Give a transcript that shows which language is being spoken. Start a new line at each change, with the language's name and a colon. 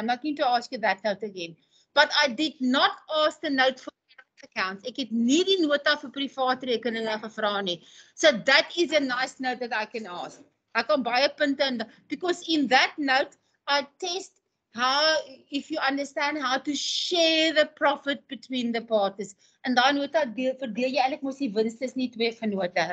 English: I'm not going to ask you that note again. But I did not ask the note for current accounts.
Afrikaans: Ek het nie die nota vir private rekeninge gevra nie.
English: So that is a nice note that I can ask. I
Afrikaans: kan baie punte in
English: because in that note I test how if you understand how to share the profit between the parties.
Afrikaans: En daai nota deel verdeel jy eintlik mos die wins tussen die twee vennote.